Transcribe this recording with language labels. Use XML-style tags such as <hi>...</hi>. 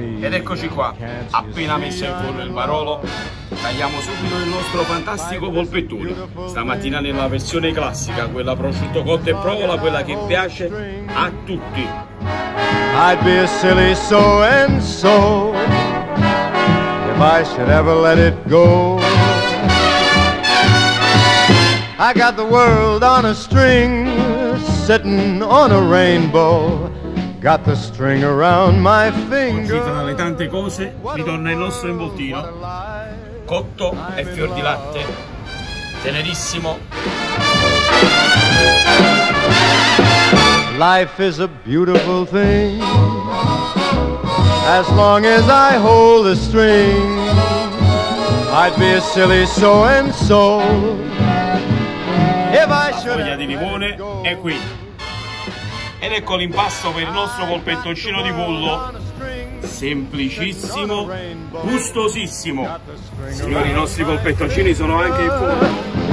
<it>Ed eccoci qua, appena messo in forno il barolo, tagliamo subito il nostro fantastico polpettone. Stamattina nella versione classica, quella prosciutto cotto e provola, quella che piace a tutti.</it> <en>I'd be a silly so and so if I should ever let it go. I got the world on a string, sitting on a rainbow. Got the string around my finger.</en> <it>Oggi tra le tante cose ritorna il nostro involtino cotto e fior di latte, tenerissimo.</it> <en>Life is a beautiful thing, as long as I hold the string. I'd be a silly so and so if I should.</en> <it>La foglia di limone è qui. Ed ecco l'impasto per il nostro polpettoncino di pollo. Semplicissimo, gustosissimo. Signori, i nostri polpettoncini sono anche in forno.</it>